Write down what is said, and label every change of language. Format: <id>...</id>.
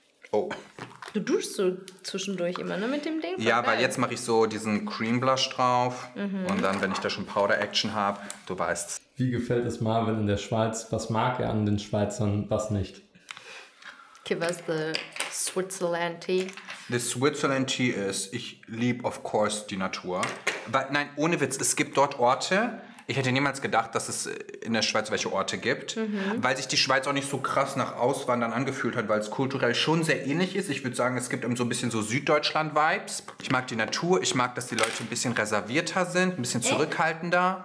<de>Oh. Du duschst so zwischendurch immer, ne, mit dem Ding? Ja, weil jetzt mache ich so diesen Cream Blush drauf. Mhm. Und dann, wenn ich da schon Powder Action habe, du weißt. Wie gefällt es Marvin in der Schweiz? Was mag er an den Schweizern, was nicht?</de> <en>Give us the Switzerland tea. The Switzerland tea is,</en> <de>ich liebe</de> <en>of course</en> <de>die Natur. Aber nein, ohne Witz, es gibt dort Orte, ich hätte niemals gedacht, dass es in der Schweiz welche Orte gibt, weil sich die Schweiz auch nicht so krass nach Auswandern angefühlt hat, weil es kulturell schon sehr ähnlich ist. Ich würde sagen, es gibt eben so ein bisschen so Süddeutschland-Vibes. Ich mag die Natur, ich mag, dass die Leute ein bisschen reservierter sind, ein bisschen zurückhaltender.</de>